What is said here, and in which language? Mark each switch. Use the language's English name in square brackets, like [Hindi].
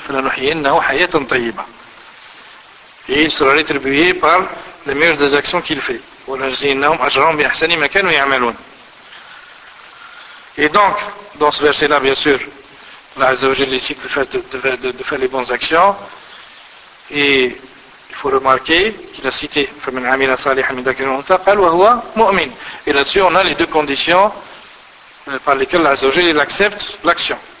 [Arabic] فَلَنُحْيِنَّهُ حَيَةً طَيِّبًا. [French] Et il sera rétribué par les meilleures des actions qu'il fait. [Arabic] وَلَنُجْزِيَنَّهُمْ أَجْرَهُمْ بِأَحْسَنِ مَا كَانُوا يَعْمَلُونَ. [French] Et donc, dans ce verset-là, bien sûr, Allah Azza wa Jalla cite de faire les bonnes actions. Et il faut remarquer qu'il a cité [Arabic] فَمَنْ عَمِلَ صَالِحًا مِنْ ذَكَرٍ أَوْ أُنْثَى قَالَ وَهُوَ مُؤْمِنٌ. [French] Et là-dessus, on a les deux conditions par lesquelles Allah Azza wa Jalla accepte l'action.